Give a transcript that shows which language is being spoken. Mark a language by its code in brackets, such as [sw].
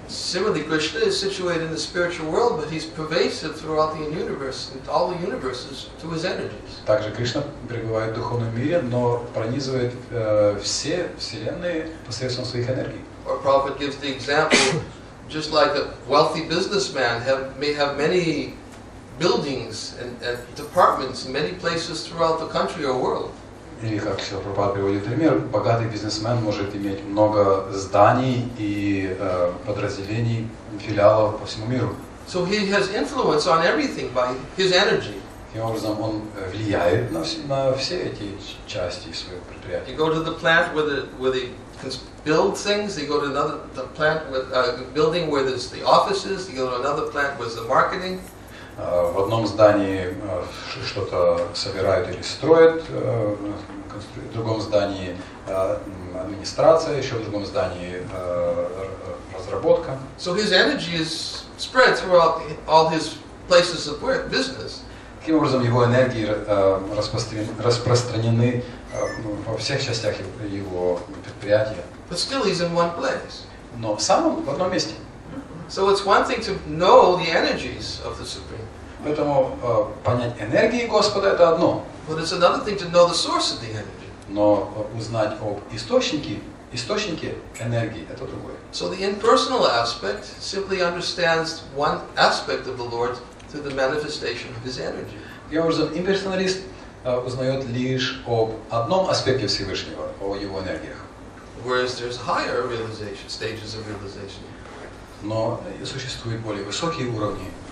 [en] Similarly, Krishna is situated in the spiritual world, but he's pervasive throughout the universe and all the universes to his energies. [ru] Также Кришна пребывает в духовном мире, но пронизывает все вселенные посредством своих энергий. [en] Our prophet gives the example, just like a wealthy businessman may have many buildings and departments in many places throughout the country or world. [ru] И как Шрила Прабхупада приводит пример, богатый бизнесмен может иметь много зданий и подразделений, филиалов по всему миру. [en] So he has influence on everything by his energy. [ru] Таким образом, он влияет на все эти части своего предприятия. [en] You go to the plant where they can build things, they go to another the plant with building where there's the offices, they go to another plant where there's the marketing. [ru] В одном здании что-то собирают или строят, в другом здании администрация, еще в другом здании разработка. [en] So his energy is spread throughout all his places of work, business. [ru] Таким образом, его энергии распространены во всех частях его предприятия. [en] But still he's in one place. [ru] Но сам он в одном месте. [en] So it's one thing to know the energies of the Supreme. [ru] Поэтому понять энергии Господа это одно. [en] But it's another thing to know the source of the energy. [ru] Но узнать об источнике энергии это другое. [en] So the impersonal aspect simply understands one aspect of the Lord through the manifestation of his energy. [ru] Таким образом, имперсоналист узнает лишь об одном аспекте Всевышнего, о его энергиях. [en] Whereas there's higher realization, stages of realization. [ru] Но существуют более высокие уровни